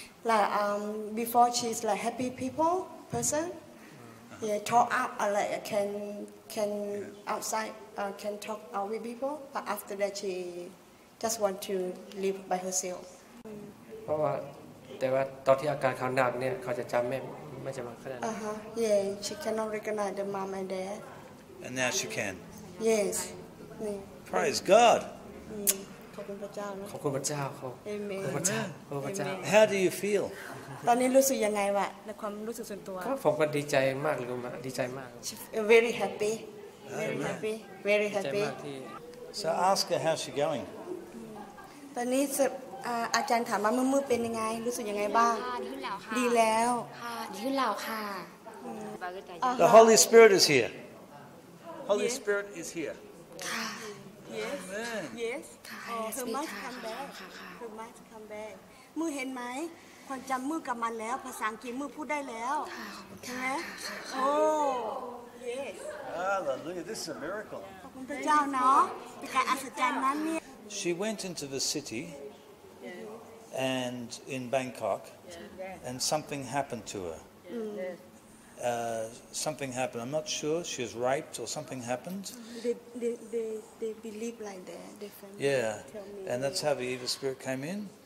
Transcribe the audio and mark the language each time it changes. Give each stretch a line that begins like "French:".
English: like before she's like happy people person yeah talk up like can outside can talk out with people but after that she just want to live by herself
Thai: เพราะว่าแต่ว่าตอนที่อาการเขาหนักเนี่ยเขาจะจำไม่จำขนาดนั้น
English: yeah she cannot recognize the mom and dad and now she can Yes. Praise God.
Thai: ขอบคุณพระเจ้าครับ
English: Amen.
Thai: ขอบพระเจ้าขอบพระเจ้า
English: How do you feel?
Thai: ตอนนี้รู้สึกยังไงวะในความรู้สึกส่วนตัว ก็ผมก็ดีใจมากเลยครับดีใจมาก
English: Very happy. Very happy. So ask her how she going.
Thai: ตอนนี้อาจารย์ถามว่าเมื่อเป็นยังไงรู้สึกยังไงบ้าง ดี แล้ว ค่ะ ดีขึ้นแล้วค่ะ
English: The Holy Spirit is here. Holy Spirit is here. Yes. Yes. Her must come back. Her must come back.
Thai: มือเห็นไหมความจำมือกลับมาแล้วภาษาอังกฤษมือพูดได้แล้วใช่ไหมโอ้
English: Yes. Hallelujah. This is a miracle.
Thai: ขอบคุณพระเจ้าเนาะการอัศจรรย์นั้นเนี่ย
English: She went into the cityAnd in Bangkok, and something happened to her. Something happened. I'm not sure. She was raped or something happened. They believe like that. Yeah, and that's how the evil spirit came in.